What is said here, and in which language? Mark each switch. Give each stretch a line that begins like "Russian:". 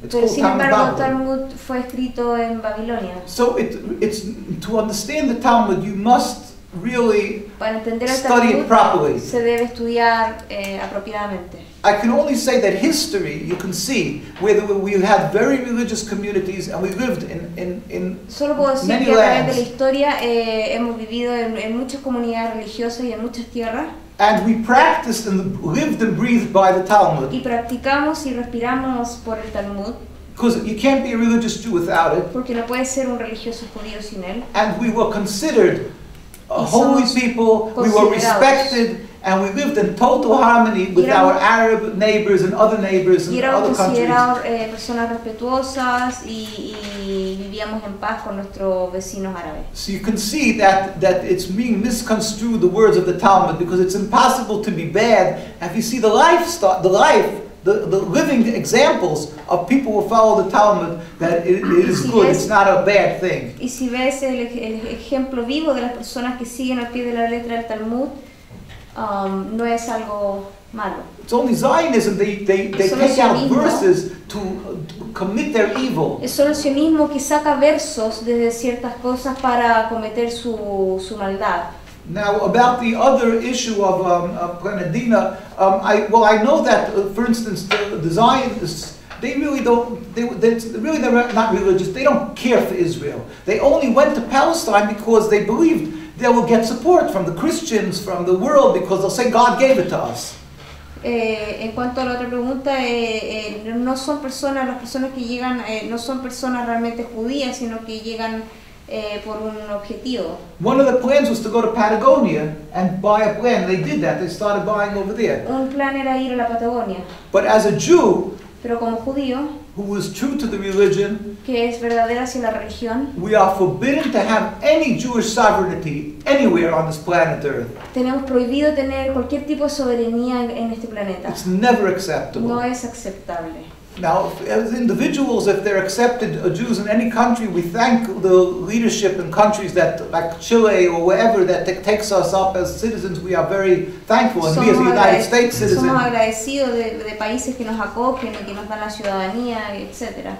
Spanish: Sin embargo, el Talmud fue escrito en Babilonia.
English: So it's to understand the Talmud, you must really study it properly.
Spanish: Se debe estudiar apropiadamente.
English: I can only say that history, you can see, where we had very religious communities and we lived in
Spanish: solo puedo decir
English: many
Spanish: que a través
English: lands.
Spanish: De la historia hemos vivido en muchas comunidades religiosas y en muchas tierras.
English: And we practiced and lived and breathed by the Talmud.
Spanish: Y practicamos y respiramos por el Talmud.
English: Because you can't be a religious Jew without it.
Spanish: Porque no puedes ser un religioso judío sin él.
English: And we were considered holy people, we were respected. And we lived in total harmony with our Arab neighbors and other neighbors and other countries.
Spanish: Personas respetuosas y vivíamos en paz con nuestros vecinos árabes.
English: So you can see that it's being misconstrued, the words of the Talmud, because it's impossible to be bad. And if you see the living examples of people who follow the Talmud, that it is good, it's not a bad thing.
Spanish: Y si ves el ejemplo vivo de las personas que siguen al pie de la letra del Talmud, no es algo malo.
English: It's only Zionism. They take
Spanish: sionismo.
English: Out verses to commit their evil.
Spanish: Es solo sionismo que saca versos desde ciertas cosas para cometer su maldad.
English: Now about the other issue of Plan Andina, I know that for instance the Zionists, they really don't. They're not religious. They don't care for Israel. They only went to Palestine because they believed they will get support from the Christians, from the world, because they'll say God gave it to us.
Spanish: En cuanto a la otra pregunta, no son personas, las personas que llegan, no son personas realmente judías, sino que llegan por un objetivo.
English: One of the plans was to go to Patagonia and buy a plan. They did that. They started buying over there.
Spanish: Un plan era ir a la Patagonia.
English: But as a Jew,
Spanish: Pero como judío,
English: who is true to the religion,
Spanish: que es verdadera hacia la religión,
English: we are forbidden to have any Jewish sovereignty anywhere on this planet Earth.
Spanish: Tenemos prohibido tener cualquier tipo de soberanía en este planeta.
English: It's never acceptable.
Spanish: No es aceptable.
English: Now, as individuals, if they're accepted Jews in any country, we thank the leadership in countries that, like Chile or wherever, that takes us up as citizens. We are very thankful, and
Spanish: somos
English: we as a United States citizen.
Spanish: Somos agradecidos de países que nos acogen y que nos dan la ciudadanía, etcétera.